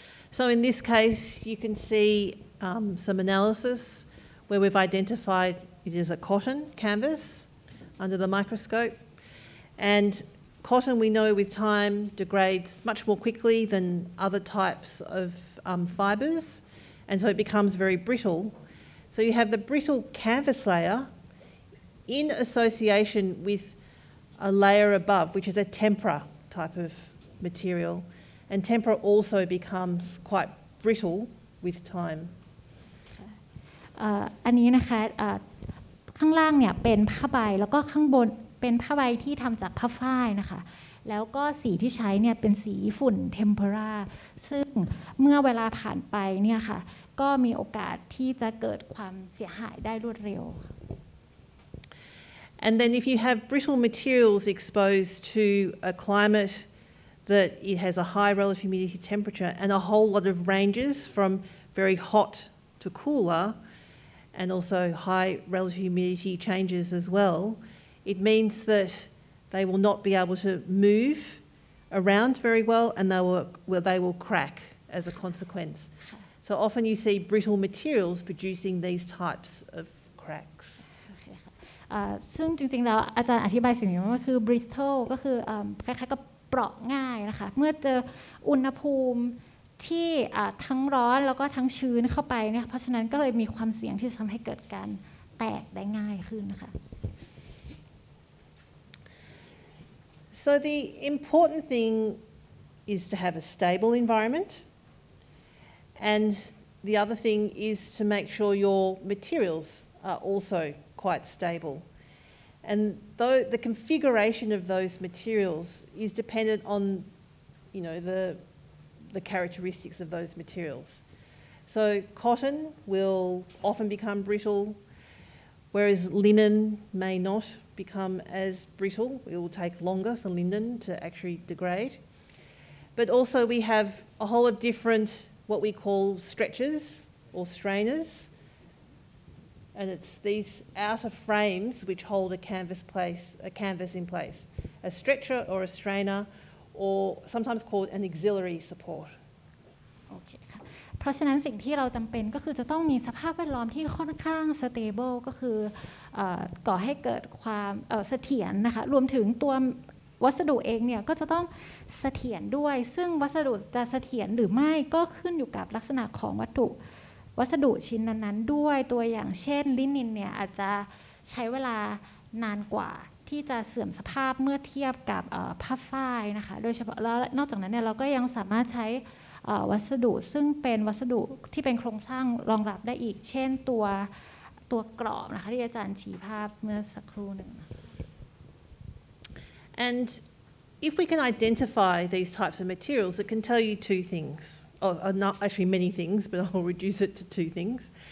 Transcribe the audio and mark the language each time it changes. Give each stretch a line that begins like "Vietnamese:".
English: So in this case you can see some analysis where we've identified it is a cotton canvas under the microscope and cotton we know with time degrades much more quickly than other types of fibers and so it becomes very brittleSo you have the brittle canvas layer in association with a layer above, which is a tempera type of material. And tempera also becomes quite brittle with time.
Thai: อันนี้นะคะ ข้างล่างเนี่ยเป็นผ้าใบแล้วก็ข้างบนเป็นผ้าใบที่ทำจากผ้าฝ้ายนะคะแล้วก็สีที่ใช้เนี่ยเป็นสีฝุ่นเทมเปอราซึ่งเมื่อเวลาผ่านไปเนี่ยค่ะก็มีโอกาสที่จะเกิดความเสียหายได้รวดเร็ว
English: And then if you have brittle materials exposed to a climate that it has a high relative humidity temperature and a whole lot of ranges from very hot to cooler and also high relative humidity changes as well, it means that they will not be able to move around very well and they will crack as a consequence. So often you see brittle materials producing these types of cracks. Okay.
Thai: ซึ่งจริงๆแล้วอาจารย์อธิบายสิ่งนี้ว่าคือ brittle ก็คือคล้ายๆกับเปราะง่ายนะคะเมื่อเจออุณหภูมิที่ทั้งร้อนแล้วก็ทั้งชื้นเข้าไปเนี่ยเพราะฉะนั้นก็เลยมีความเสี่ยงที่จะทำให้เกิดการแตกได้ง่ายขึ้นนะคะ
English: So the important thing is to have a stable environment and the other thing is to make sure your materials are also quite stable. And though the configuration of those materials is dependent on, you know, the characteristics of those materials. So cotton will often become brittle, whereas linen may not become as brittle. It will take longer for linen to actually degrade. But also we have a whole lot of different, what we call stretchers or strainers. And it's these outer frames which hold a canvas in place, a stretcher or a strainer, or sometimes called an auxiliary support. Okay.
Thai: ค่ะ เพราะฉะนั้นสิ่งที่เราจำเป็นก็คือจะต้องมีสภาพแวดล้อมที่ค่อนข้าง stable ก็คือก่อให้เกิดความเสถียรนะคะรวมถึงตัววัสดุเองเนี่ยก็จะต้องเสถียรด้วยซึ่งวัสดุจะเสถียรหรือไม่ก็ขึ้นอยู่กับลักษณะของวัตถุ วัสดุชิ้นนั้นๆด้วยตัวอย่างเช่นลินินเนี่ยอาจจะใช้เวลานานกว่าที่จะเสื่อมสภาพเมื่อเทียบกับผ้าฝ้ายนะคะโดยเฉพาะแล้วนอกจากนั้นเนี่ยเราก็ยังสามารถใช้วัสดุซึ่งเป็นวัสดุที่เป็นโครงสร้างรองรับได้อีกเช่นตัวกรอบนะคะที่อาจารย์ชี้ภาพเมื่อสักครู่หนึ่ง
English: And if we can identify these types of materials it can tell you two thingsOh, not actually many things, but I'll reduce it to two things.